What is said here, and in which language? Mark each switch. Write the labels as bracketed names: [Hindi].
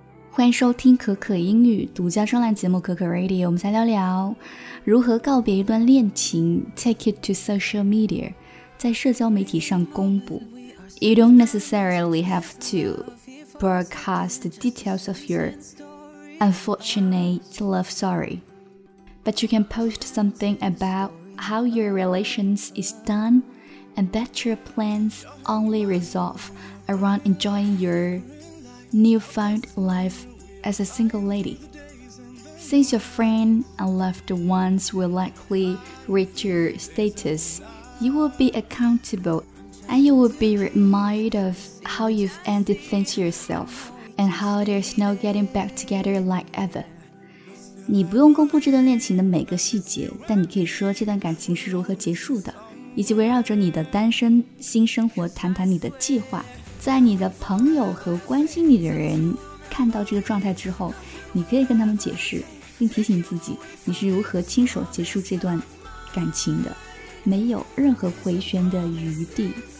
[Chinese] 欢迎收听可可英语独家专栏节目可可 Radio， 我们再聊聊如何告别一段恋情。 [English] Take it to social media， [Chinese] 在社交媒体上公布。 [English] You don't necessarily have to broadcast the details of your unfortunate love story， but you can post something about how your relations is done and that your plans only resolve around enjoying yourNewfound life as a single lady. Since your friend and loved ones will likely reach your status, you will be accountable and you will be reminded of how you've ended things yourself and how there's no getting back together like ever. [Chinese] 你不用公布这段恋情的每个细节，但你可以说这段感情是如何结束的，以及围绕着你的单身新生活谈谈你的计划。在你的朋友和关心你的人看到这个状态之后，你可以跟他们解释并提醒自己你是如何亲手结束这段感情的，没有任何回旋的余地。